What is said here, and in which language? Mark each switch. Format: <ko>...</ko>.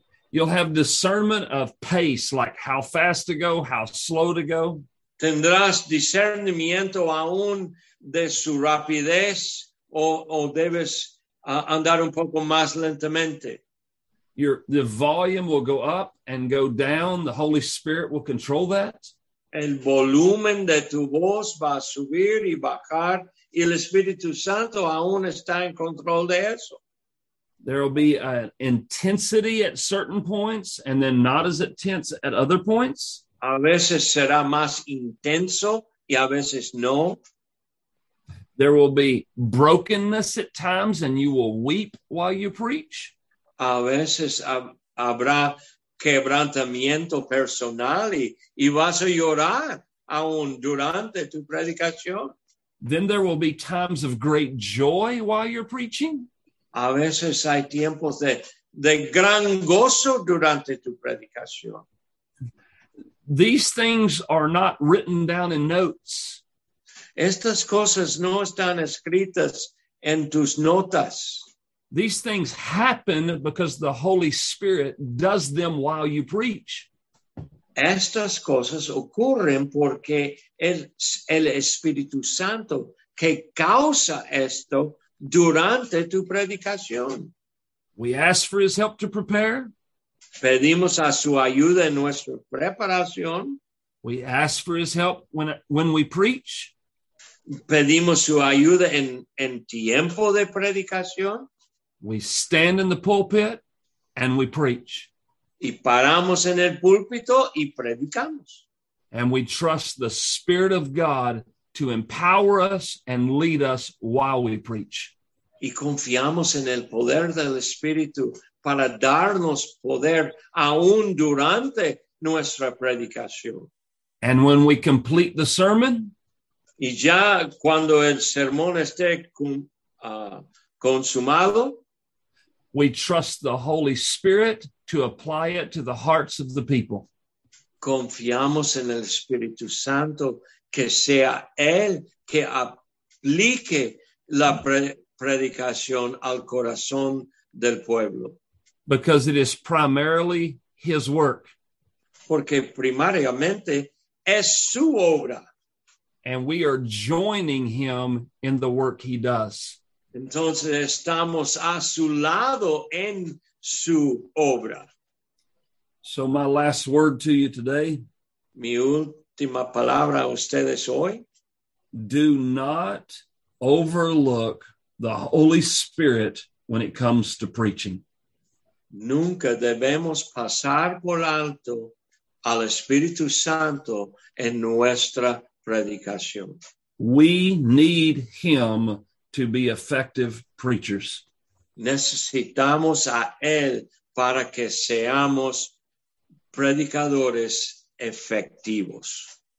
<en>You'll have discernment of pace, like how fast to go, how slow to go.</en> <es>Tendrás discernimiento aún de su rapidez o debes andar un poco más lentamente.</es> <en>The volume will go up and go down. The Holy Spirit will control that.</en> <es>El volumen de tu voz va a subir y bajar y el Espíritu Santo aún está en control de eso.</es> <en>There will be an intensity at certain points and then not as intense at other points.</en> <es>A veces será más intenso y a veces no.</es> <en>There will be brokenness at times and you will weep while you preach.</en> <es>A veces habrá quebrantamiento personal y vas a llorar aún durante tu predicación.</es> <en>Then there will be times of great joy while you're preaching.</en> <es>A veces hay tiempos de gran gozo durante tu predicación.</es> <en>These things are not written down in notes.</en> <es>Estas cosas no están escritas en tus notas.</es> <en>These things happen because the Holy Spirit does them while you preach.</en> <es>Estas cosas ocurren porque es el Espíritu Santo que causa esto durante tu predicación.</es> <en>We ask for his help to prepare.</en> <es>Pedimos a su ayuda en nuestra preparación.</es> <en>We ask for his help when we preach.</en> <es>Pedimos su ayuda en tiempo de predicación.</es> <en>We stand in the pulpit and we preach.</en> <es>Y paramos en el púlpito y predicamos.</es> <en>And we trust the Spirit of God to empower us and lead us while we preach.</en> <es>Y confiamos en el poder del Espíritu para darnos poder aún durante nuestra predicación.</es> <en>And when we complete the sermon,</en> <es>y ya cuando el sermón esté consumado,</es> <en>we trust the Holy Spirit to apply it to the hearts of the people.</en> <es>Confiamos en el Espíritu Santo que sea él que aplique la predicación al corazón del pueblo.</es> <en>Because it is primarily his work.</en> <es>Porque primariamente es su obra.</es> <en>And we are joining him in the work he does.</en> <es>Entonces estamos a su lado en su obra.</es> <en>So my last word to you today.</en> <es>Mi última palabra a ustedes hoy.</es> <en>Do not overlook the Holy Spirit when it comes to preaching.</en> <es>Nunca debemos pasar por alto al Espíritu Santo en nuestra predicación.</es> <en>We need him to be effective preachers.</en> <es>Necesitamos a él para que seamos predicadores efectivos.</es>